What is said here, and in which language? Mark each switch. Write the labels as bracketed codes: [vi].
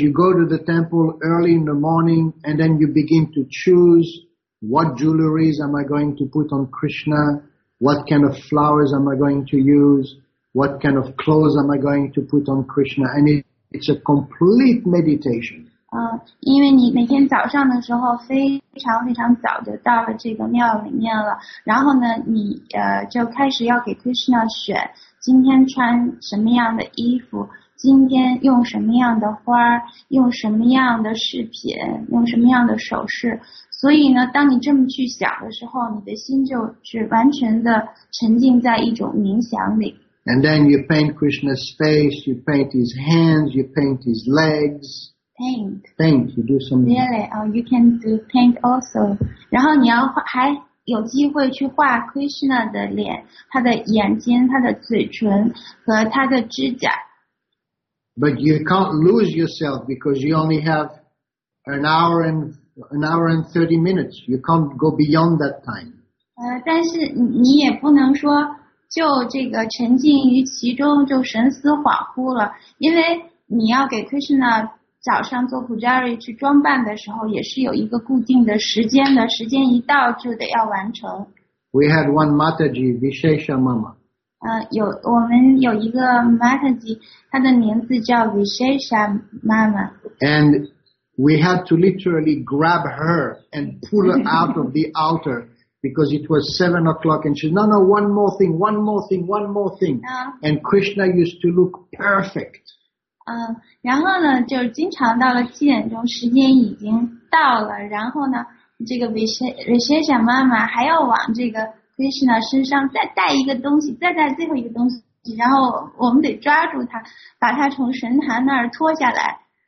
[en] you go to the temple early in the morning, and then you begin to choose what jewelries am I going to put on Krishna, what kind of flowers am I going to use, what kind of clothes am I going to put on Krishna, and it's a complete meditation. [zh] 因为你每天早上的时候非常非常早就到了这个庙里面了，然后呢，你就开始要给Krishna选今天穿什么样的衣服，今天用什么样的花，用什么样的饰品，用什么样的首饰。所以呢，当你这么去想的时候，你的心就是完全的沉浸在一种冥想里。 [en] And then you paint Krishna's face, you paint his hands, you paint his legs. Paint, you do some. Really, you can do paint also. [zh] 然后你要还有机会去画 Krishna 的脸，他的眼睛，他的嘴唇和他的指甲。 [en] But you can't lose yourself because you only have an hour and 30 minutes. You can't go beyond that time. [zh] 但是你也不能说就这个沉浸于其中就神思恍惚了，因为你要给 Krishna 早上做 Pujari 去装扮的时候也是有一个固定的时间的，时间一到就得要完成。 [en] We had one Mataji, Vishesha Mama. [zh] 我们有一个 Mataji, 他的名字叫 Vishesha Mama. [en] And we had to literally grab her and pull her out of the altar. Because it was 7 o'clock and she said, no, one more thing. And Krishna used to look perfect. [zh] 然后呢就经常到了7点钟时间已经到了，然后呢这个 Vishesha 妈妈还要往这个 Krishna 身上再带一个东西，再带最后一个东西，然后我们得抓住他，把他从神坛那儿拖下来。